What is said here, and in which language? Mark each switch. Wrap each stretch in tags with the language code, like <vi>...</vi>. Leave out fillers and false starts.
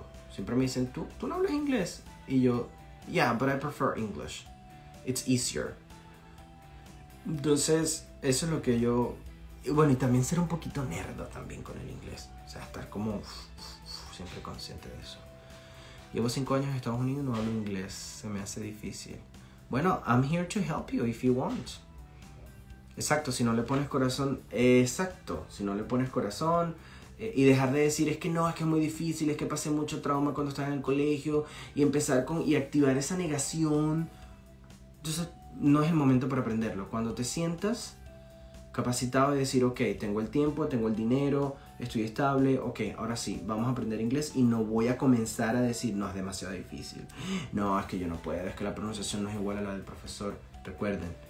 <es>Siempre me dicen, ¿tú no hablas inglés? Y yo,</es> <en>yeah, but I prefer English. It's easier.</en> <es>Entonces, eso es lo que yo... Y bueno, y también ser un poquito nerdo también con el inglés. O sea, estar como siempre consciente de eso. Llevo 5 años en Estados Unidos y no hablo inglés. Se me hace difícil. Bueno,</es> <en>I'm here to help you if you want.</en> <es>Exacto, si no le pones corazón, exacto, si no le pones corazón y dejar de decir es que es muy difícil, es que pasé mucho trauma cuando estaba en el colegio y empezar con y activar esa negación, entonces no es el momento para aprenderlo. Cuando te sientas capacitado y decir, ok, tengo el tiempo, tengo el dinero, estoy estable, ok, ahora sí, vamos a aprender inglés y no voy a comenzar a decir, no, es demasiado difícil, no, es que yo no puedo, es que la pronunciación no es igual a la del profesor, recuerden.</es>